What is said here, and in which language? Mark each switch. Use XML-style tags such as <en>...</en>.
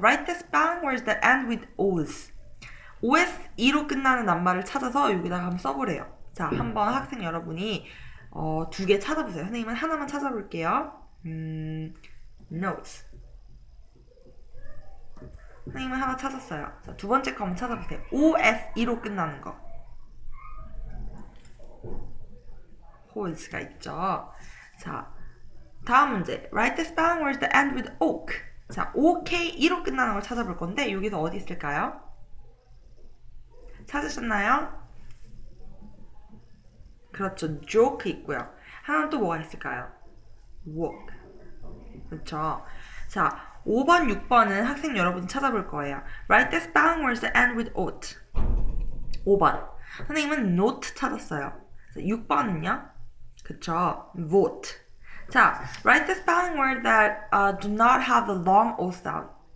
<en>Write the spelling words that end with os.</en> <ko>os로 끝나는 낱말을 찾아서 여기다가 한번 써보래요. 자, 한번 학생 여러분이 두 개 찾아보세요. 선생님은 하나만 찾아볼게요.</ko> <en>Notes.</en> <ko>선생님은 하나 찾았어요. 자, 두 번째 거 한번 찾아보세요. os로 끝나는 거. hose가 있죠. 자, 다음 문제.</ko> <en>Write the spelling words that end with oak.</en> <ko>자, OK로 끝나는 걸 찾아볼 건데 여기서 어디 있을까요? 찾으셨나요? 그렇죠. joke 있고요. 하나는 또 뭐가 있을까요? walk. 그렇죠. 자, 5번, 6번은 학생 여러분 찾아볼 거예요.</ko> <en>Write the spelling words that end with oat.</en> <ko>5번. 선생님은 note 찾았어요. 6번은요? 그렇죠. vote.</ko> <en>자, write the spelling word that do not have a long O sound.</en>